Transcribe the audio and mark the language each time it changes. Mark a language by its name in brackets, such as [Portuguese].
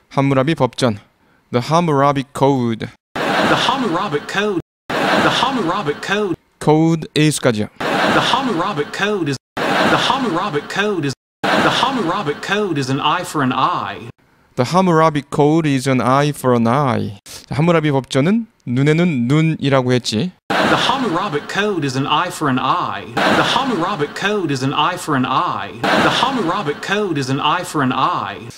[Korean] 함무라비 법전. [English] The Hammurabi code. The Hammurabi code. The Hammurabi code. Code is까지요. The Hammurabi code is. The Hammurabi code is. The Hammurabi code is an eye for an eye. The Hammurabi code is an eye for an eye. [Korean] 자, 함무라비 법전은 눈에는 눈이라고 했지. [English] The Hammurabi code is an eye for an eye. The Hammurabi code is an eye for an eye. The Hammurabi code is an eye for an eye.